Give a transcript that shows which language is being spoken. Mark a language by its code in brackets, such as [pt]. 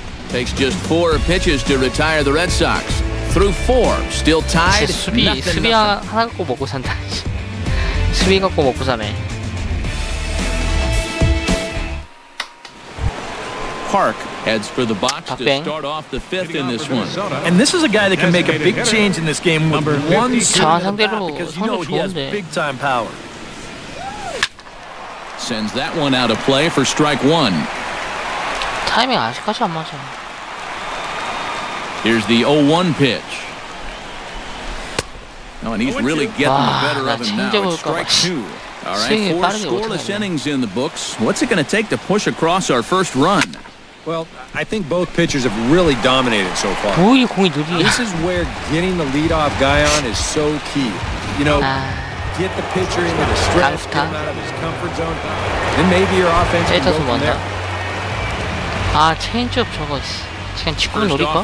[en] Takes just four pitches to retire the Red Sox. Through four, still tied. [ko] 수비, 수비 하나 갖고 먹고 산다. 수비 갖고 먹고 사네. [en] Park heads for the box to start off the fifth in this one. And this is a guy that can make a big change in this game with one swing. [ko] 저 상대로 선수 좋은데. [en] Big time power. Sends that one out of play for strike one. [ko] 타이밍 아직까지 안 맞아. [en] Here's the 0-1 pitch. Oh, and he's really getting the better of him now. It's strike two. All right, four scoreless innings in the books. What's it going to take to push across our first run? Well, I think both pitchers have really dominated so far. This is where getting the leadoff guy on is so key. You know, get the pitcher into the stretch, get him out of his comfort zone, then maybe your offense can go from there. [ko] 아, 체인지업 저거 지금 직구를 노릴까?